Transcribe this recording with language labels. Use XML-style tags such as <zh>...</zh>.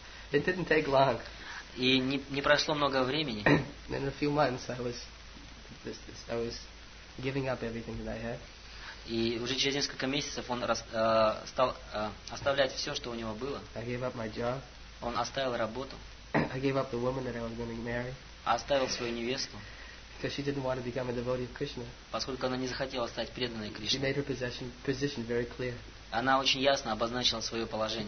<en>It didn't take long.</en> <ru>И не прошло много времени.</ru> <en>In a few months I was giving up everything that I had.</en> <ru>И уже через несколько месяцев он стал оставлять все, что у него было.</ru> <en>I gave up my job.</en> <ru>Он оставил работу.</ru> <en>I gave up the woman that I was going to marry.</en> <ru>Оставил свою невесту.</ru> <en>Because she didn't want to become a devotee of Krishna.</en> <ru>Поскольку она не захотела стать преданной Кришне.</ru> <en>She made her position very clear.</en> <ru>Она очень ясно обозначила свое положение.</ru>